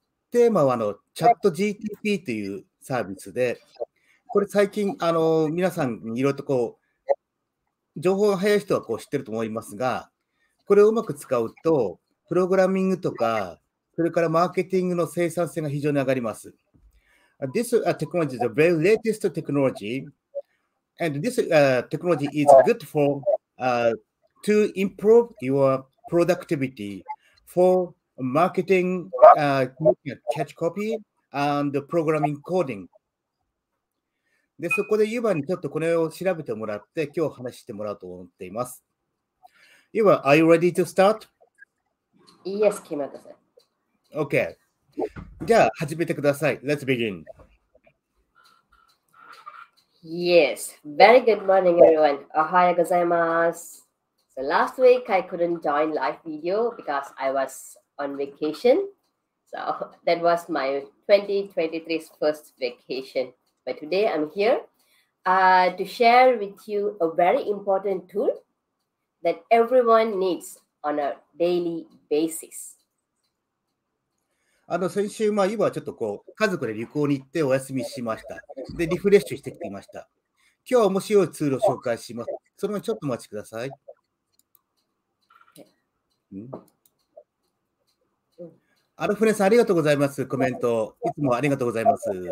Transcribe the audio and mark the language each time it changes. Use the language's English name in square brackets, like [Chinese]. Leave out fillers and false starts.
[Japanese] テーマは、Chat GPT というサービスで、これ最近、皆さんいろいろとこう、情報が早い人はこう知ってると思いますが、これをうまく使うと、プログラミングとか、それからマーケティングの生産性が非常に上がります。 [English] This technology is the very latest technology. And this technology is good for to improve your productivity for marketing, catch copy, and programming coding. [Japanese] で、そこでユバにちょっとこれを調べてもらって、今日話してもらおうと思っています。 [English] ユバ、are you ready to start? Yes, Kimata-san. Okay. [Japanese] じゃあ始めてください。 [English] Let's begin. Yes. Very good morning, everyone. [Japanese] Ohayou gozaimasu. [English] So last week, I couldn't join live video because I was on vacation. So that was my 2023's first vacation. But today, I'm here to share with you a very important tool that everyone needs on a daily basis. [Japanese] 先週、まあ、今はちょっとこう、家族で旅行に行ってお休みしました。で、リフレッシュしてきていました。今日は面白いツールを紹介します。その前ちょっとお待ちください。アルフレさん、ありがとうございます。コメント。いつもありがとうございます。